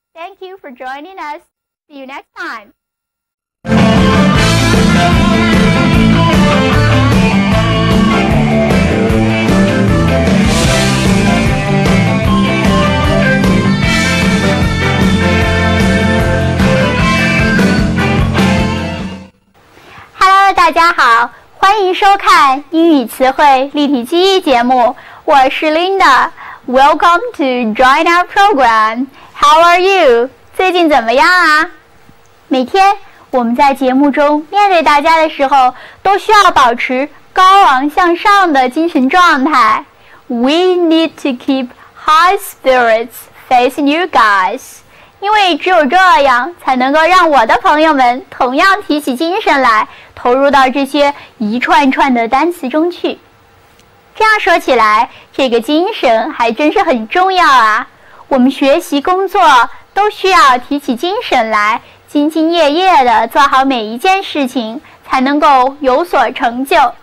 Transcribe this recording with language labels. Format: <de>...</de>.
<en>Thank you for joining us. See you next time. Hello,</en> <zh>大家好，欢迎收看英语词汇立体记忆节目，我是 Linda。</zh> <en>Welcome to join our program. How are you?</en> <zh>最近怎么样啊？每天我们在节目中面对大家的时候，都需要保持高昂向上的精神状态。</zh> <en>We need to keep high spirits facing you guys.</en> <zh>因为只有这样，才能够让我的朋友们同样提起精神来，投入到这些一串串的单词中去。这样说起来，这个精神还真是很重要啊。我们学习工作都需要提起精神来，兢兢业业地做好每一件事情，才能够有所成就。</zh>